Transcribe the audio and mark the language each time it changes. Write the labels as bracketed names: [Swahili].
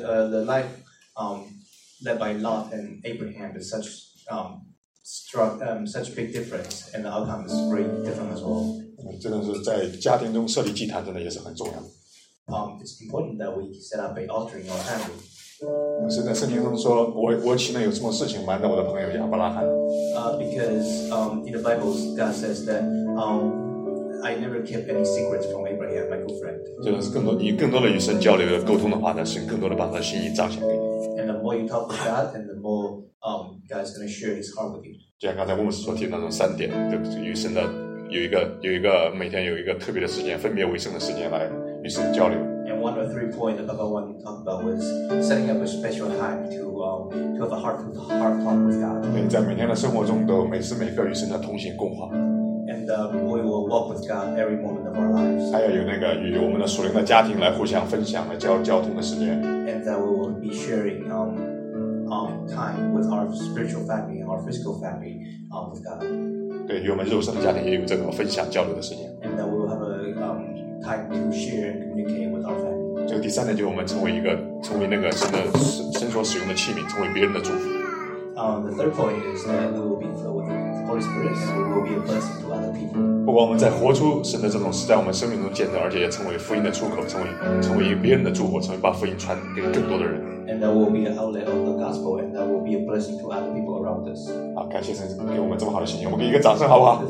[English] the life led by Lot and Abraham is such such a big difference, and the outcome is very different as well. [Chinese] 真的是在家庭中设立祭坛真的也是很重要的。 [English] It's important that we set up an altar in our family. [Chinese] 是在圣经中说，我岂能有什么事情瞒着我的朋友亚伯拉罕？ [English] Because in the Bible, God says that I never kept any secrets from Abraham, my good friend. [Chinese] 就是更多你更多的与神交流沟通的话呢，神更多的把他心意彰显给你。 [English] And the more you talk with God, and the more God's going to share His heart with you. [Chinese] 就像刚才我们所提的那种三点，就与神的有一个每天有一个特别的时间，分别为圣的时间来与神交流。 [English] One of the three points that Papa Wang talked about was setting up a special time to have a heart-to-heart talk with God. [Chinese] 你在每天的生活中都每时每刻与神的同行共话。 [English] And we will walk with God every moment of our lives. [Chinese] 还要有那个与我们的属灵的家庭来互相分享的交通的时间。 [English] And that we will be sharing time with our spiritual family, our physical family, with God. [Chinese] 对，与我们肉身的家庭也有这个分享交流的时间。 [English] And that we will have time to share and communicate. [Chinese] 这个第三点就是我们成为那个神所使用的器皿，成为别人的祝福。 [English] The third point is that we will be filled with the Holy Spirit will be a blessing to other people. [Chinese] 不管我们在活出神的这种事在我们生命中见证，而且也成为福音的出口，成为别人的祝福，成为把福音传给更多的人。 [English] And that will be an outlet of the gospel, and that will be a blessing to other people around us. [Chinese] 好，感谢神给我们这么好的信息，我们给一个掌声好不好？